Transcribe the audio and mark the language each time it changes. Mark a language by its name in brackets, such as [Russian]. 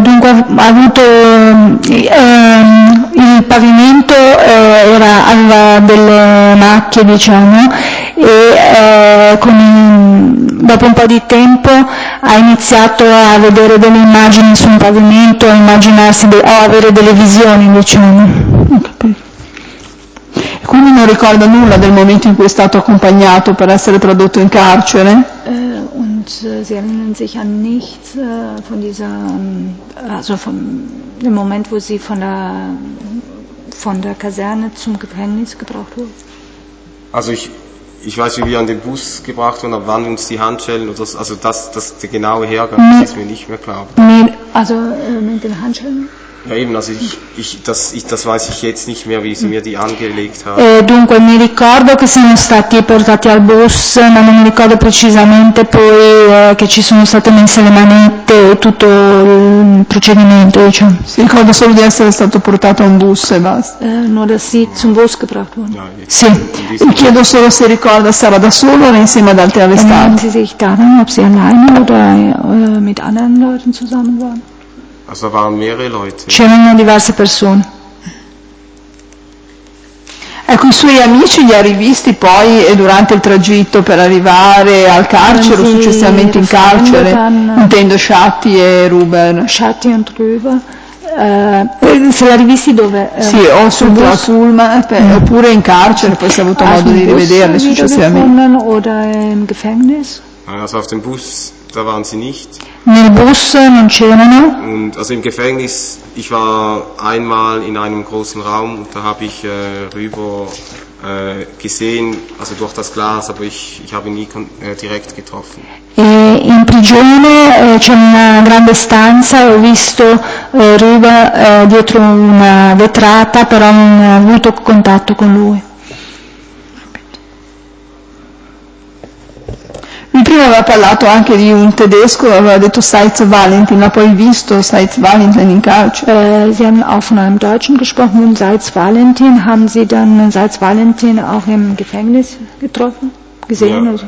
[Italian] dunque, ha avuto il pavimento aveva delle macchie, diciamo, e dopo un po' di tempo ha iniziato a vedere delle immagini sul pavimento, a immaginarsi o avere delle visioni, diciamo. E quindi non ricorda nulla del momento in cui è stato accompagnato per essere tradotto in carcere? [German] Und sie erinnern sich an nichts von dieser, also von dem Moment, wo sie von der Kaserne zum Gefängnis gebracht wurde? Also ich weiß, wie wir an den Bus gebracht wurden, aber wann uns die Handschellen oder das der genaue Hergang, das ist mir nicht mehr klar. Also mit den Handschellen? Ja eben, also das weiß ich jetzt nicht mehr, wie sie mir die angelegt haben. [Italian] Dunque, mi ricordo che siamo stati portati al bus, ma non mi ricordo precisamente poi che ci sono state messe le manette e tutto il procedimento, diciamo. Si ricorda solo di essere stato portato a un bus e basta. [German] Nur, dass sie zum Bus gebracht wurden. [Italian] Sì, mi chiedo solo se ricorda se era da solo o insieme ad altri arrestati. [German] Sie sich daran, ob sie alleine oder mit anderen Leuten zusammen waren? Also waren mehrere Leute. [Italian] C'erano diverse persone. Ecco, i suoi amici li ha rivisti poi durante il tragitto per arrivare al carcere o successivamente in carcere, intendo Schatti e Ruben. Schatti e Ruben. Se li ha rivisti dove? Sì, o sul bus. Oppure in carcere, poi si è avuto modo di rivederli successivamente. [German] O in Gefängnis? Also auf dem Bus, da waren sie nicht. [Italian] Nel bus non c'erano. [German] Und also im Gefängnis, ich war einmal in einem großen Raum und da habe ich Rüber gesehen, also durch das Glas, aber ich habe ihn nie direkt getroffen. [Italian] E in prigione c'è una grande stanza, ho visto Rüber dietro una vetrata, però non ho avuto contatto con lui. Prima aveva parlato anche di un tedesco, aveva detto Seitz Valentin, l'ha poi visto Seitz Valentin in carcere? [German] Sie haben auch von einem Deutschen gesprochen, und Seitz Valentin, haben Sie dann Seitz Valentin auch im Gefängnis getroffen, gesehen?